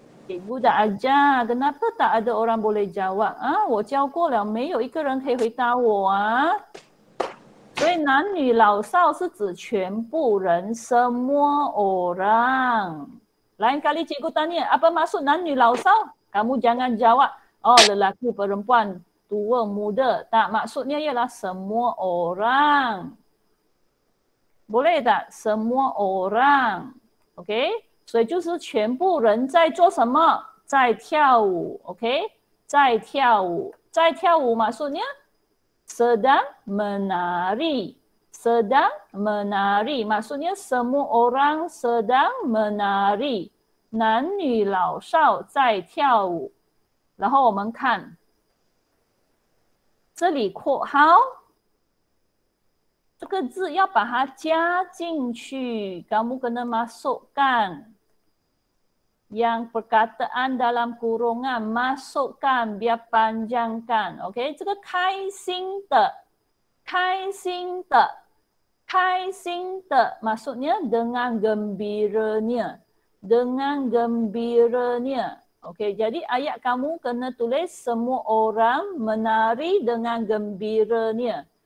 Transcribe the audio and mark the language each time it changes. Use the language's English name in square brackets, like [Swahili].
[Malay] Cikgu dah ajar, kenapa tak ada orang boleh jawab? [Chinese] Ah, 我教过了，没有一个人可以回答我啊。所以男女老少是指全部人， [Malay] semua orang。 Lain kali cikgu tanya, apa maksud 男女老少? Kamu jangan jawab, oh lelaki perempuan, Dua muda. Tak, maksudnya ialah semua orang. Boleh tak? Semua orang. Okay? [Chinese] 所以就是全部人在做什么? 在跳舞.Okay? 在跳舞. 在跳舞 maksudnya? [Malay] Sedang menari. Sedang menari. Maksudnya semua orang sedang menari. [Chinese] 男女老少在跳舞.然后我们看. 这里括号，这个字要把它加进去。 [Malay] Kamu kena masukkan yang perkataan dalam kurungan masukkan biar panjangkan. [Chinese] OK，这个开心的，开心的，开心的， [Malay] maksudnya dengan gembiranya, dengan gembiranya。 Okey, jadi ayat kamu kena tulis semua orang menari dengan gembiranya.